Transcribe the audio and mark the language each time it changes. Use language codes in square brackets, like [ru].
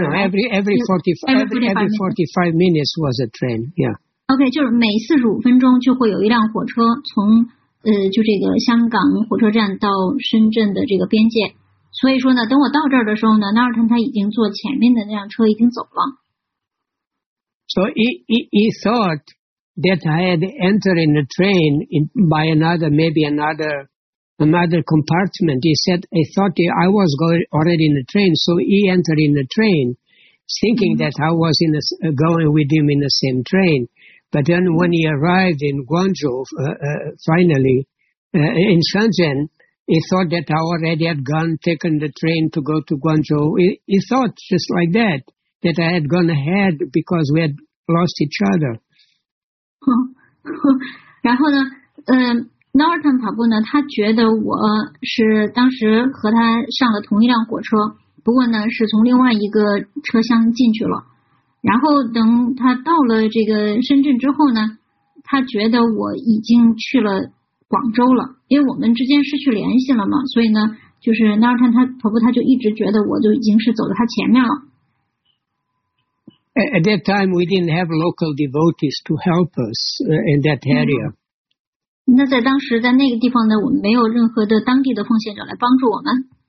[en] no every 45 minutes was a train, yeah. [zh] OK， 就是每45分钟就会有一辆火车从就这个香港火车站到深圳的这个边界。所以说呢，等我到这儿的时候呢，纳尔腾他已经坐前面的那辆车已经走了。 [en] So he thought that I had entered in the train by another compartment. He thought I was going already in the train, so he entered in the train, thinking that I was going with him in the same train. But then when he arrived in Guangzhou, in Shenzhen, he thought that I already had gone, taken the train to go to Guangzhou. He thought just like that, that I had gone ahead because we had lost each other. [zh] 然后呢Narottam 跑步呢他觉得我是当时和他上了同一辆火车，不过呢是从另外一个车厢进去了。然后等他到了这个深圳之后呢，他觉得我已经去了广州了，因为我们之间失去联系了嘛，所以呢，就是那天他婆婆他就一直觉得我就已经是走在他前面了。 [en] At that time, we didn't have local devotees to help us in that area. [zh] 那在当时，在那个地方呢，我们没有任何的当地的奉献者来帮助我们。